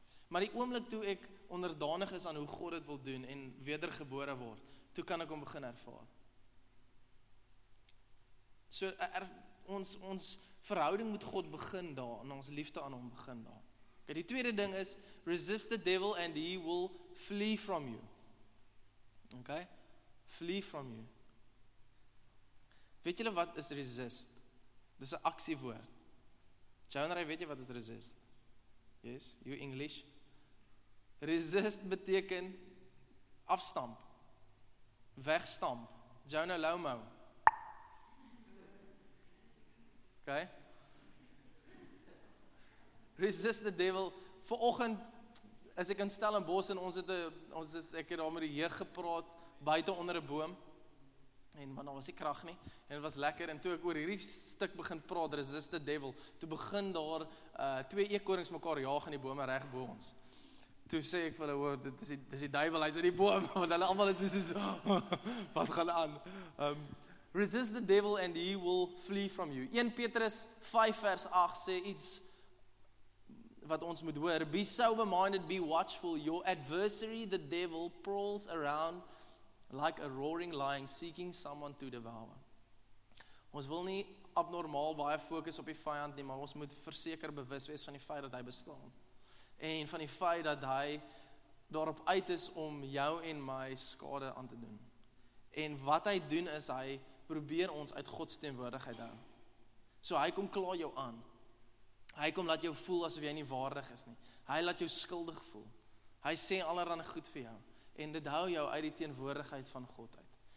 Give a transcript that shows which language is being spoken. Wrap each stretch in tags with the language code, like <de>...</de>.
<af>Maar die oomblik toe ek onderdanig is aan hoe God het wil doen, en wedergebore word, toe kan ek hom begin ervaar. So, ons verhouding met God begin daar, en ons liefde aan hom begin daar. Okay, die tweede ding is,</af> <en>resist the devil and he will flee from you.</en> <af>Okay?</af> <en>Flee from you.</en> <af>Weet julle wat is resist? Dis 'n aksiewoord. Jonary, weet jy wat is resist?</af> <en>Yes, you English.</en> <af>Resist beteken afstamp. Wegstamp. Jonah Lomo. Okay.</af> <en>Resist the devil.</en> <af>Vanoggend as ek in Stellenbosch en ek het daar met die jeug gepraat buite onder 'n boom. En want daar was die krag nie, en het was lekker, en toe ek oor hierdie stuk begin praat,</af> <en>resist the devil,</en> <af>toe begin daar twee eekorings mekaar jaag in die bome reg bo ons. Toe sê ek vir hulle, dit is die duivel, hy is in die boom, want hulle allemaal is nie soos, wat gaan aan?</af> <en>Resist the devil and he will flee from you.</en> <af>1 Petrus 5 vers 8 sê iets wat ons moet hoor,</af> <en>be sober minded, be watchful, your adversary the devil prowls around like a roaring lion seeking someone to devour.</en> <af>Ons wil nie abnormaal baie fokus op die vijand nie, maar ons moet verseker bewus wees van die feit dat hy bestaan. En van die feit dat hy daarop uit is om jou en my skade aan te doen. En wat hy doen is, hy probeer ons uit Gods teenwoordigheid hou. So hy kom kla jou aan. Hy kom laat jou voel asof jy nie waardig is nie. Hy laat jou skuldig voel. Hy sê allerhande goed vir jou. En dit hou jou uit die teenwoordigheid van God uit.</af>